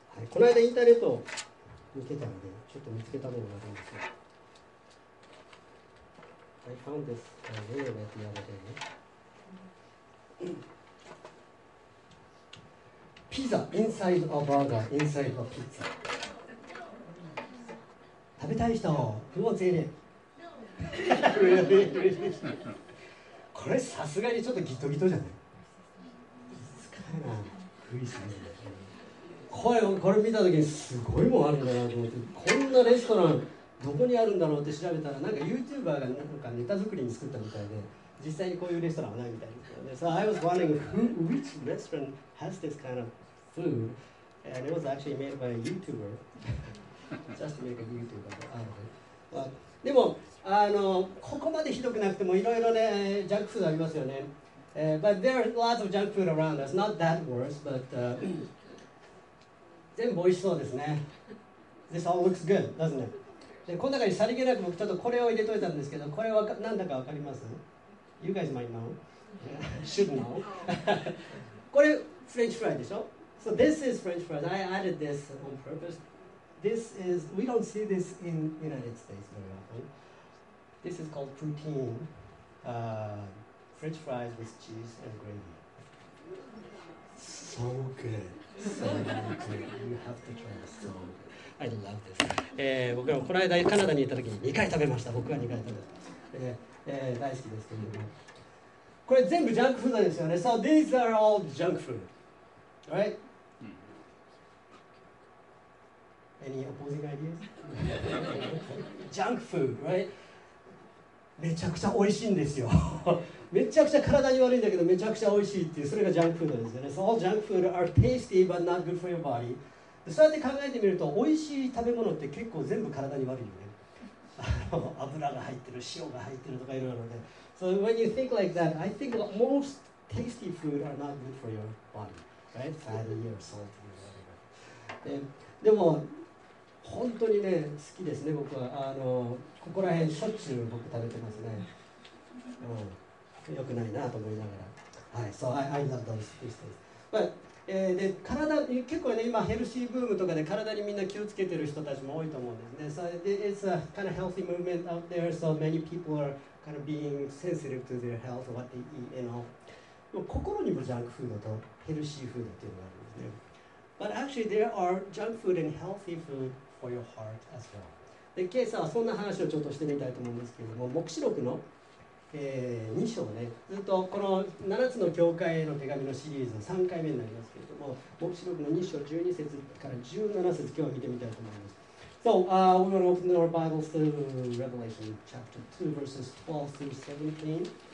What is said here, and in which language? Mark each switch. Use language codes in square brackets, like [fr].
[ja] この間インターネットを見てたので、ちょっと見つけたものがあるんですよ。 [en] I found this video that the other day. Pizza inside a burger inside a pizza. [ja] 食べたい人、不合成で。これさすがにちょっとギトギトじゃない？使えない、クリスマス。これ見た時にすごいもんあるんだなと思って、こんなレストランどこにあるんだろうって調べたら、なんか YouTuber がなんかネタ作りに作ったみたいで、実際にこういうレストランはないみたいですよね。 [en] So I was wondering who, which restaurant has this kind of food, and it was actually made by a YouTuber. Just make a YouTuber out of it. [ja] でもここまでひどくなくても、いろいろねジャンクフードありますよね。 [en] But there are lots of junk food around us. Not that worse, but [ja] 全部美味しそうですね。 [en] This all looks good, doesn't it? [ja] で、この中にさりげなく僕ちょっとこれを入れといたんですけど、これは何だか分かります？ [en] You guys might know. Should know. [ja] これ、フレンチフライでしょ？ [en] So this is French fries. I added this on purpose. This is, we don't see this in United States very often. This is called poutine. French fries with cheese and gravy. So good. So good. You have to try this. So good. I love this. [ja] 僕らもこの間カナダに行った時に2回食べました。僕は2回食べました。大好きですけれども、これ全部ジャンクフードですよね。 [en] So these are all junk food. Alright? Any opposing ideas? Junk food, right? [ja] めちゃくちゃ美味しいんですよ。めちゃくちゃ体に悪いんだけど、めちゃくちゃ美味しいっていう、それがジャンクフードですよね。 [en] So all junk food are tasty but not good for your body. [ja] そうやって考えてみると、美味しい食べ物って結構全部体に悪いよね。油が入ってる、塩が入ってるとかいろいろで。 [en] So when you think like that, I think most tasty food are not good for your body, right? Fatty or salty or whatever. [ja] でも本当にね好きですね僕は。ここら辺しょっちゅう僕食べてますね。良くないなと思いながら。はい、 [en] So I love those tasty things. [ja] で体結構ね、今ヘルシーブームとかで体にみんな気をつけてる人たちも多いと思うんですね。 [en] So it's a kind of healthy movement out there, so many people are kind of being sensitive to their health, what they eat and all. [ja] でも心にもジャンクフードとヘルシーフードっていうのがあるんですね。 [en] But actually there are junk food and healthy food for your heart as well. [ja] で今朝はそんな話をちょっとしてみたいと思うんですけども、黙示録の2章ね、ずっとこの7つの教会への手紙のシリーズの3回目になりますけれども、黙示録の2章12節から17節、今日は見てみたいと思います。 [en] So, we're going to open our Bibles to Revelation chapter 2, verses 12 through 17.